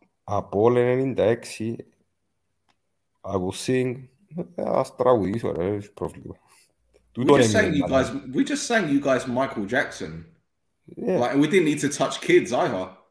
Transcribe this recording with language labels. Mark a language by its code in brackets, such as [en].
[en] Απόλλων 96, I will sing. [el] Ας τραγουδήσω, ρε, έχει πρόβλημα. [en] We just sang you guys Michael Jackson. Yeah. Like, we didn't need to touch kids either.